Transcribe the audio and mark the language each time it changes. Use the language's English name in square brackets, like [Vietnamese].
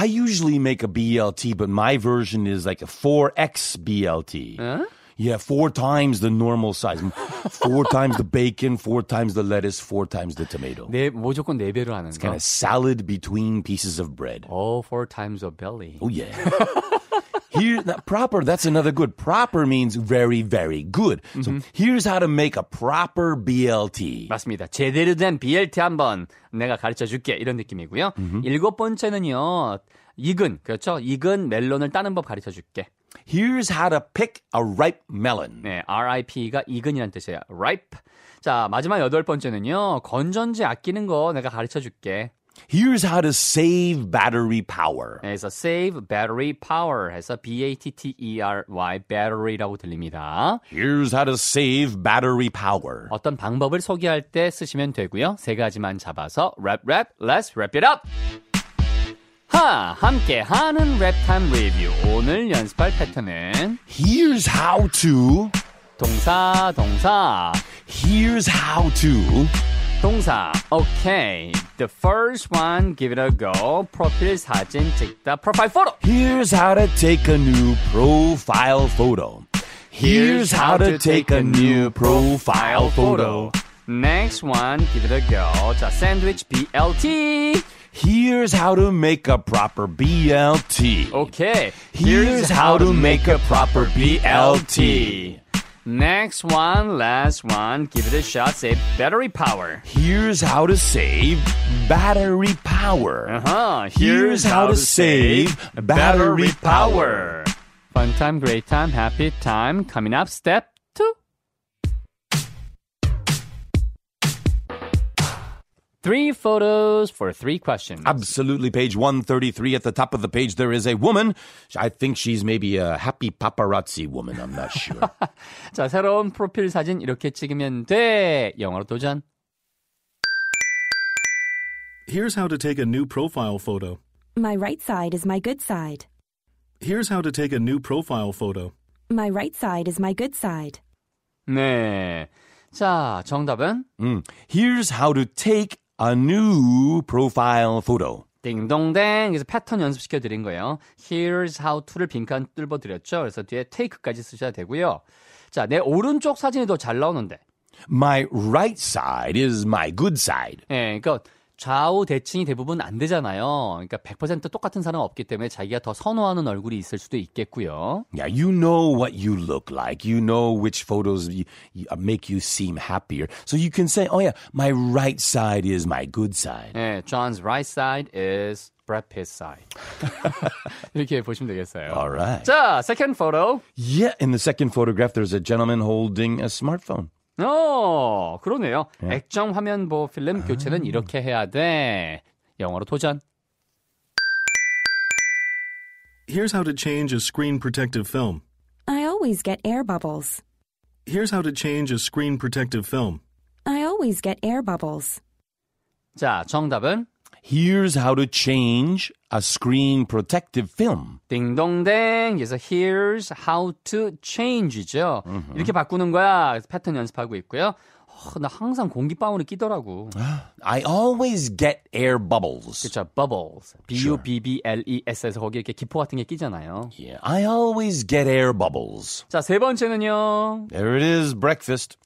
[English] I usually make a BLT, but my version is like a 4X BLT. [Korean] 응? [English] Yeah, four times the normal size. Four times the bacon, four times the lettuce, four times the tomato. [Korean] 네, 무조건 네 배로 하는 [English] It's [Korean] 거. [English] It's kind of salad between pieces of bread. Oh, four times a belly. Oh, yeah. Here, now, proper, that's another good. Proper means very, very good. So here's how to make a proper BLT. [Korean] 맞습니다. 제대로 된 BLT 한번 내가 가르쳐줄게. 이런 느낌이고요. 일곱 번째는요, 익은, 그렇죠? 익은 멜론을 따는 법 가르쳐줄게. [English] Here's how to pick a ripe melon. [Korean] 네, R-I-P가 익은이란 뜻이에요. [English] Ripe. [Korean] 자, 마지막 여덟 번째는요. 건전지 아끼는 거 내가 가르쳐줄게. [English] Here's how to save battery power. [Korean] 네, 그래서 [English] save battery power [Korean] 해서 B-A-T-T-E-R-Y, battery라고 들립니다. [English] Here's how to save battery power. [Korean] 어떤 방법을 소개할 때 쓰시면 되고요. [English] 세 가지만 잡아서 wrap, wrap, let's wrap it up. [Korean] 함께하는 랩타임 리뷰. 오늘 연습할 패턴은 [English] Here's how to [Korean] 동사, 동사 [English] Here's how to [Korean] 동사, [English] okay. The first one, give it a go. [Korean] 프로필 사진 찍다, [English] profile photo. Here's how to take a new profile photo. Here's how to take a new profile photo. Next one, give it a go. [Korean] 자, sandwich BLT. [English] Here's how to make a proper BLT. Okay. Here's how to make a proper BLT. Next one, last one, give it a shot, save battery power. Here's how to save battery power. Here's how to save battery power. Fun time, great time, happy time. Coming up, step two. 3 photos for 3 questions. Absolutely. Page 133 at the top of the page, there is a woman. I think she's maybe a happy paparazzi woman. I'm not sure. [Korean] 자, 새로운 프로필 사진 이렇게 찍으면 돼. 영어로 도전. [English] Here's how to take a new profile photo. My right side is my good side. Here's how to take a new profile photo. My right side is my good side. [Korean] 네. 자, 정답은? [English] Here's how to take a new profile photo. [Korean] 띵동댕. 그래서 패턴 연습시켜드린 거예요. [English] Here's how to를 [Korean] 빈칸 뚫어드렸죠. 그래서 뒤에 take까지 쓰셔야 되고요. 자, 내 오른쪽 사진이 더 잘 나오는데. [English] My right side is my good side. [Korean] 네, 그러니까 좌우 대칭이 대부분 안 되잖아요. 그러니까 100% 똑같은 사람 없기 때문에 자기가 더 선호하는 얼굴이 있을 수도 있겠고요. [English] Yeah, you know what you look like. You know which photos make you seem happier. So you can say, oh yeah, my right side is my good side. [Korean] 네, [English] John's right side is Brad Pitt's side. [Korean] 이렇게 보시면 되겠어요. [English] All right. [Korean] 자, second photo. [English] Yeah, in the second photograph, there's a gentleman holding a smartphone. [Korean] 어, 그러네요. [English] Yeah. [Korean] 액정 화면 보호 필름 교체는 이렇게 해야 돼. 영어로 도전. [English] Here's how to change a screen protective film. I always get air bubbles. Here's how to change a screen protective film. I always get air bubbles. [Korean] 자, 정답은 [English] Here's how to change a screen protective film. [Korean] 딩동댕. 그래서 [English] here's how to change죠. [Korean] Mm-hmm. 이렇게 바꾸는 거야. 패턴 연습하고 있고요. 어, 나 항상 공기방울이 끼더라고. [English] I always get air bubbles. [Korean] 그렇죠. Bubbles. B-U-B-B-L-E-S에서 거기 이렇게 기포 같은 게 끼잖아요. [English] Yeah. I always get air bubbles. [Korean] 자, 세 번째는요. [English] There it is. Breakfast.